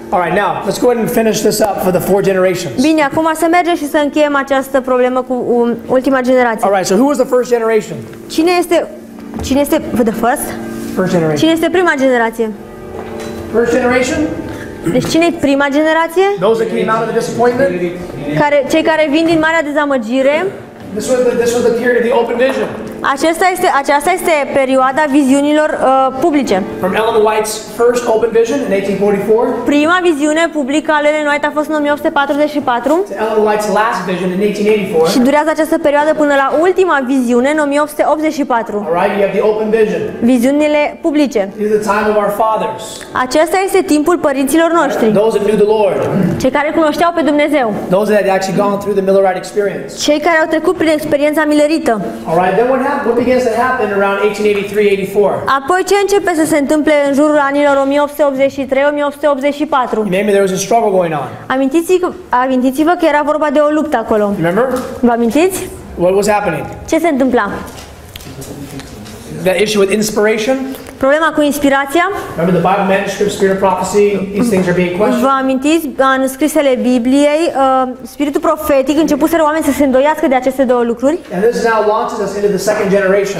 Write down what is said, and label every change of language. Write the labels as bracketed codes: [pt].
[en] All right, now let's go ahead and finish this up for the four generations. [ro] Bine, acum să mergem și să încheiem această problemă cu ultima generație. [en] All right, so who was the first generation? [ro] Cine este [en] the first? First generation. [ro] Cine este prima generație? [en] First generation? [ro] Deci cine e prima generație? [en] Those that came out of the disappointment. [ro] Cei care vin din marea dezamăgire. [en] This was the period of the open vision. [ro] Aceasta este perioada viziunilor publice. [en] From Ellen White's first open vision in 1844. [ro] Prima viziune publică a Ellen White a fost în 1844. [en] Ellen White's last vision in 1884. [ro] Și durează această perioadă până la ultima viziune în 1884. [en] All right, you have the open vision. [ro] Viziunile publice. [en] This is the time of our fathers. [ro] Acesta este timpul părinților noștri. [en] Those that knew the Lord. [ro] Cei care cunoșteau pe Dumnezeu. [en] Those that had actually gone through the Millerite experience. [ro] Cei care au trecut prin experiența millerită. [en] All right, then what begins to happen around 1883-84? [ro] Apoi ce începe să se întâmple în jurul anilor 1883-1884? [en] Remember there was a struggle going on. [ro] Amintiți-vă că era vorba de o luptă acolo. [en] Remember? [ro] Vă amintiți? [en] What was happening? [ro] Ce se întâmpla? [en] The issue with inspiration? [ro] Problema cu inspirația? [en] Remember the Bible manuscripts, spirit of prophecy, these things are being questioned. [ro] Vă amintiți manuscrisele Bibliei, spiritul profetic, începuseră oameni să se îndoiască de aceste două lucruri? [en] And this now launches us into the second generation.